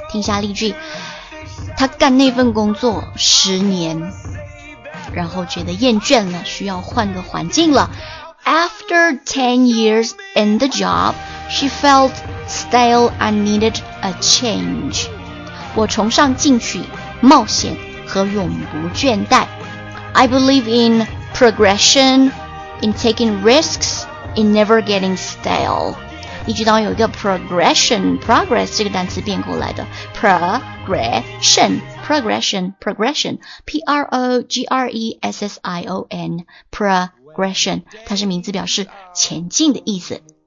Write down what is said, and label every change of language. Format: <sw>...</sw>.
<zh>听下例句，他干那份工作10年，然后觉得厌倦了，需要换个环境了。</zh> <en>After 10 years in the job, she felt stale and needed a change.</en> <zh>我崇尚进取、冒险和永不倦怠。</zh> <en>I believe in progression, in taking risks, in never getting stale。</en> <zh>例句当中有一个 progression， progress 这个单词变过来的 progression， progression， progression， P-R-O-G-R-E-S-S-I-O-N， progression， 它是名字表示前进的意思。</zh>